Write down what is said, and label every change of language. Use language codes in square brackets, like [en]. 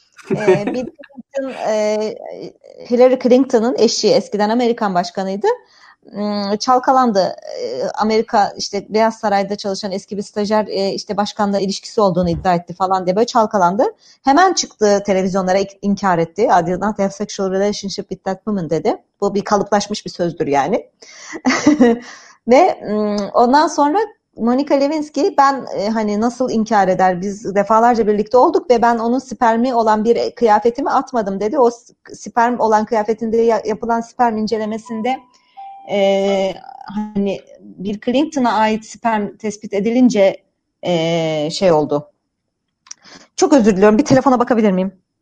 [tr] Bill Clinton, Hillary Clinton'ın eşi, eskiden Amerikan başkanıydı. Çalkalandı. Amerika işte Beyaz Saray'da çalışan eski bir stajyer işte başkanla ilişkisi olduğunu iddia etti falan diye böyle çalkalandı. Hemen çıktı televizyonlara, inkar etti. [en] I did not have sexual relationship with that woman [tr] dedi. Bu bir kalıplaşmış bir sözdür yani. Ve ondan sonra Monica Lewinsky, ben hani nasıl inkar eder, biz defalarca birlikte olduk ve ben onun spermi olan bir kıyafetimi atmadım dedi. O sperm olan kıyafetinde yapılan sperm incelemesinde hani bir Clinton'a ait sperm tespit edilince şey oldu. Çok özür diliyorum. Bir telefona bakabilir miyim?